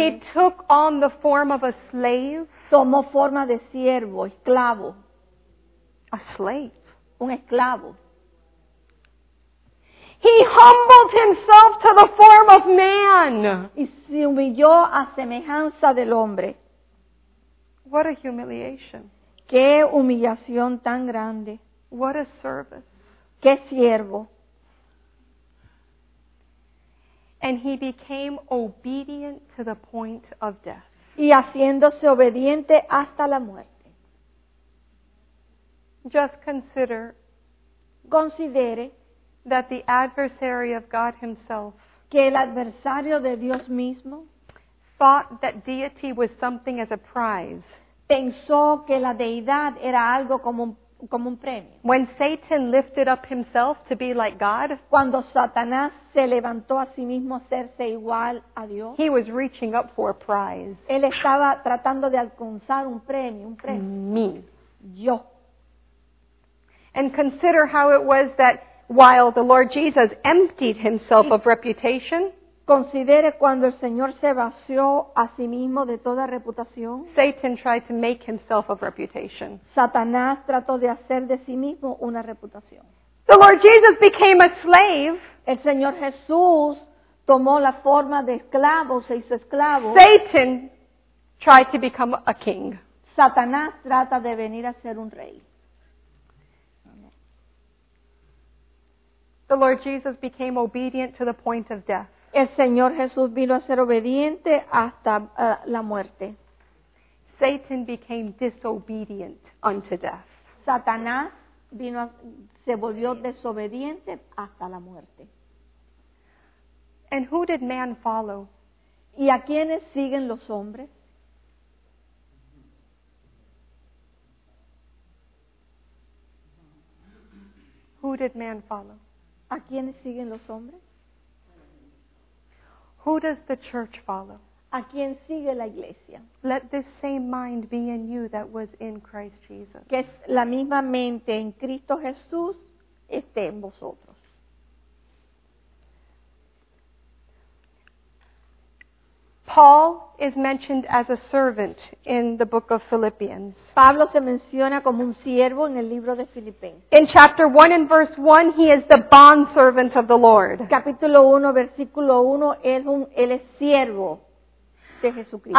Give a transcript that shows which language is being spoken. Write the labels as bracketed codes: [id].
[en] He took on the form of a slave. [es] Tomó forma de siervo, esclavo. [en] A slave. [es] Un esclavo. [en] He humbled himself to the form of man. [es] Y se humilló a semejanza del hombre. [en] What a humiliation. [es] Qué humillación tan grande. [en] What a service. [es] Qué siervo. [en] And he became obedient to the point of death. [es] Y haciéndose obediente hasta la muerte. [en] Just consider. [es] Considere. [en] That the adversary of God himself. [es] Que el adversario de Dios mismo. [en] Thought that deity was something as a prize. [es] Pensó que la deidad era algo como un premio. [en] When Satan lifted up himself to be like God, [es] cuando Satanás se levantó a sí mismo a hacerse igual a Dios, [en] he was reaching up for a prize. [es] Él estaba tratando de alcanzar un premio. [en] Me. [es] Yo. [en] And consider how it was that while the Lord Jesus emptied himself of reputation, [es] considere cuando el Señor se vació a sí mismo de toda reputación. [en] Satan tried to make himself of reputation. [es] Satanás trató de hacer de sí mismo una reputación. [en] The Lord Jesus became a slave. [es] El Señor Jesús tomó la forma de esclavo, se hizo esclavo. [en] Satan tried to become a king. [es] Satanás trata de venir a ser un rey. [en] The Lord Jesus became obedient to the point of death. [es] El Señor Jesús vino a ser obediente hasta la muerte. [en] Satan became disobedient unto death. [es] Satanás se volvió desobediente hasta la muerte. [en] And who did man follow? [es] ¿Y a quiénes siguen los hombres? [en] Who did man follow? [es] ¿A quiénes siguen los hombres? [en] Who does the church follow? [es] ¿A quién sigue la iglesia? [en] Let this same mind be in you that was in Christ Jesus. [es] Que es la misma mente en Cristo Jesús esté en vosotros. [en] Paul is mentioned as a servant in the book of Philippians. [es] Pablo se menciona como un siervo en el libro de Filipenses. [en] In chapter 1 and verse 1, he is the bondservant of the Lord. [es] Capítulo 1, versículo 1, él es siervo de Jesucristo.